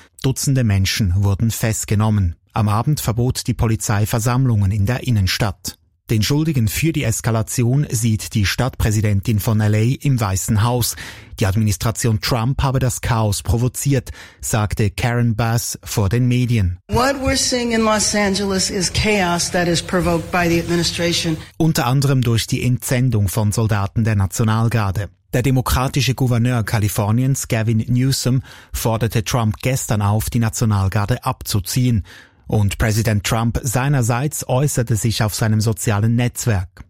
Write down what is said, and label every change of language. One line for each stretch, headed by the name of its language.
German: Dutzende Menschen wurden festgenommen. Am Abend verbot die Polizei Versammlungen in der Innenstadt. Den Schuldigen für die Eskalation sieht die Stadtpräsidentin von L.A. im Weißen Haus. Die Administration Trump habe das Chaos provoziert, sagte Karen Bass vor den Medien.
English: What we're seeing in Los Angeles is chaos that is provoked by the administration.
German: Unter anderem durch die Entsendung von Soldaten der Nationalgarde. Der demokratische Gouverneur Kaliforniens, Gavin Newsom, forderte Trump gestern auf, die Nationalgarde abzuziehen. Und Präsident Trump seinerseits äußerte sich auf seinem sozialen Netzwerk.